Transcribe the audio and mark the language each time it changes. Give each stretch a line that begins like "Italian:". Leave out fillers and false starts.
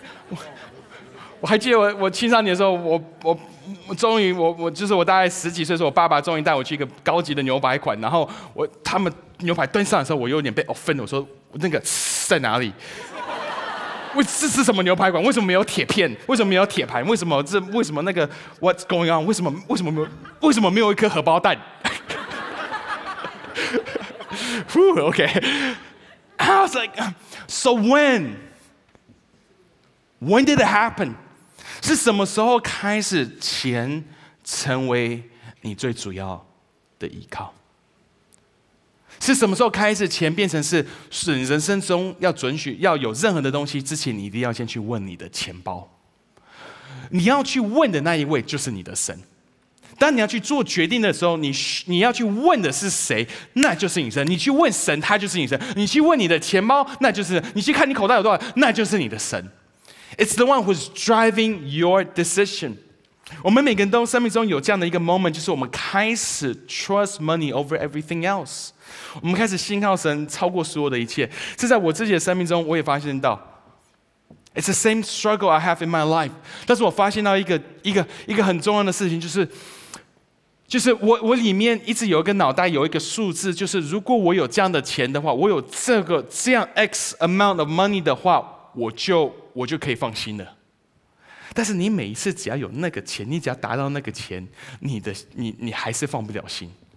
Chinese: Right， 我还记得我青少年的时候，我终于就是我大概十几岁的时候，我爸爸终于带我去一个高级的牛排馆，然后他们牛排端上的时候，我有点被
English: offend，
Chinese: 我说那个在哪里？这是什么牛排馆？为什么没有铁片？为什么没有铁盘？为什么那个
English: What's going on？
Chinese: 为什么没有一颗荷包蛋？OK。
English: I was like, so when did it happen?
Chinese: 是什么时候开始钱成为你最主要的依靠？是什么时候开始钱变成是你人生中要准许要有任何的东西之前，你一定要先去问你的钱包。你要去问的那一位就是你的神。当你要去做决定的时候 你要去问的是谁那就是你神你去问神他就是你神你去问你的钱包那就是神你去看你口袋有多少那就是你的神
English: It's the one who's driving your decision
Chinese: 我们每个人都生命中有这样的一个 moment 就是我们开始
English: trust money over everything else
Chinese: 我们开始信靠神超过所有的一切这在我自己的生命中我也发现到
English: It's the same struggle I have in my life.
Chinese: 但是我发现到一个很重要的事情，就是我里面一直有一个脑袋有一个数字，就是如果我有这样的钱的话，我有这样
English: X amount of money
Chinese: 的话，我就可以放心了。但是你每一次只要有那个钱，你只要达到那个钱，你还是放不了心。